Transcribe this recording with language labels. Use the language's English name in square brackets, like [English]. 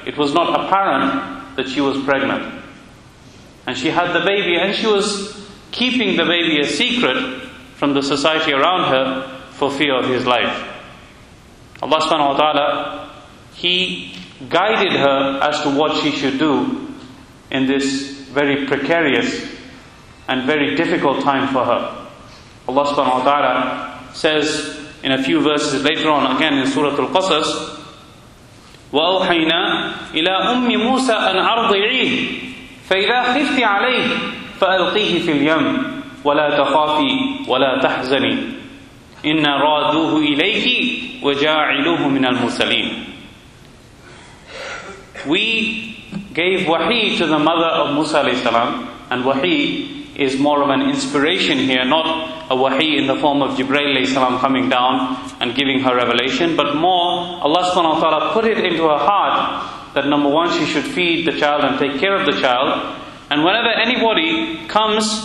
[English] It was not apparent that she was pregnant. And she had the baby, and she was keeping the baby a secret from the society around her for fear of his life. Allah subhanahu wa ta'ala, he guided her as to what she should do in this very precarious and very difficult time for her. Allah subhanahu wa ta'ala says in a few verses later on, again in Surah Al-Qasas, [Arabic] وَأَوْحَيْنَا إِلَىٰ أُمِّ مُوسَىٰ أَنْ أَرْضِعِيهِ فَإِذَا خِفْتِ عَلَيْهِ فَأَلْقِيهِ فِي الْيَمِّ وَلَا تَخَافِي وَلَا تَحْزَنِي إِنَّا رَادُوهُ إِلَيْهِ وَجَاعِلُوهُ مِنَ الْمُسَلِينَ. [English] We gave wahi to the mother of Musa alayhi salam, and wahi is more of an inspiration here, not a wahi in the form of Jibreel alayhi salam coming down and giving her revelation, but more Allah subhanahu wa ta'ala put it into her heart that number one, she should feed the child and take care of the child. And whenever anybody comes